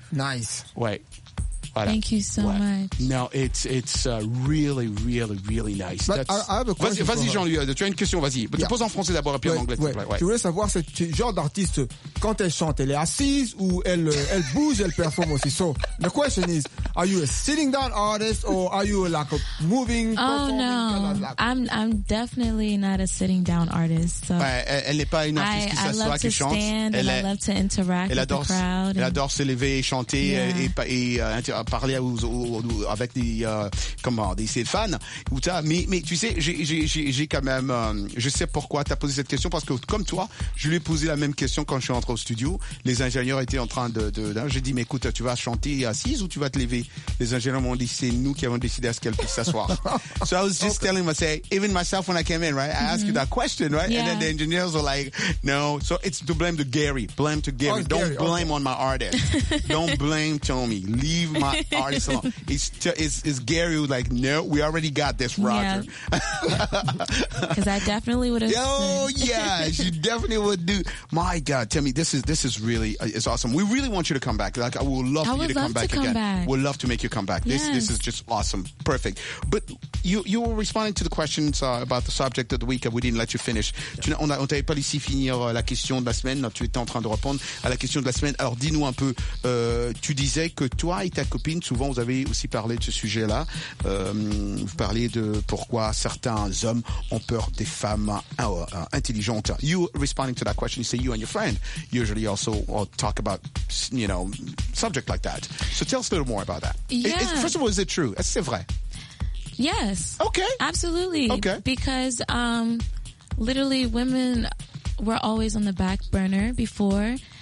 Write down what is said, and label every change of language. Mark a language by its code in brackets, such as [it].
[en] Nice. [fr] Ouais. [en] Voilà. Thank you so much. Now it's really, really, really nice. But that's... I have a question. [fr] Vas-y, vas-y Jean-Louis, tu as une question, vas-y. Yeah. Pose en français d'abord et puis en anglais. Tu voulais savoir ce genre d'artiste, quand elle chante, elle est assise ou elle bouge, elle performe aussi. [en] So the question is, are you a sitting down artist or are you like a moving? Oh no, I'm definitely not a sitting down artist. So [fr] elle n'est pas une artiste qui s'assoit, qui chante. Elle est... [en] I love to interact with the crowd. [fr] Elle adore s'élever, chanter et parler avec des fans. Mais tu sais, j'ai quand même, je sais pourquoi t'as posé cette question, parce que comme toi, je lui ai posé la même question quand je suis rentré au studio. Les ingénieurs étaient en train de j'ai dit, mais écoute, tu vas chanter assise ou tu vas te lever? Les ingénieurs m'ont dit, c'est nous qui avons décidé à ce qu'elle puisse s'asseoir. [en] So I was just telling myself, even myself when I came in, right? I asked you that question, right? Yeah. And then the engineers were like, no. So it's to blame to Gary. Blame to Gary. Don't blame on my artist. Don't blame Tommy. Leave my artist alone. It's Gary who's like, no, we already got this, Roger. Because yeah. I definitely would have. Oh, yeah. You definitely would do. My God, Tommy, this is really, it's awesome. We really want you to come back. Like, I would love to come back again. We'd love to make you come back. Yes. This is just awesome. Perfect. But you were responding to the questions about the subject of the week. We didn't let you finish. Yeah. [fr] On t'avait pas laissé finir la question de la semaine. Tu étais en train de répondre à la question de la semaine. Alors, dis-nous un peu. Tu disais que toi et ta copine, souvent, vous avez aussi parlé de ce sujet-là. Vous parliez de pourquoi certains hommes ont peur des femmes intelligentes. [en] You responding to that question, you say you and your friend usually also talk about, you know, subject like that. So tell us a little more about that. Yeah. First of all, is it true? [fr] Est-ce que c'est vrai? [en] Yes. Okay. Absolutely. Okay. Because literally women were always on the back burner before.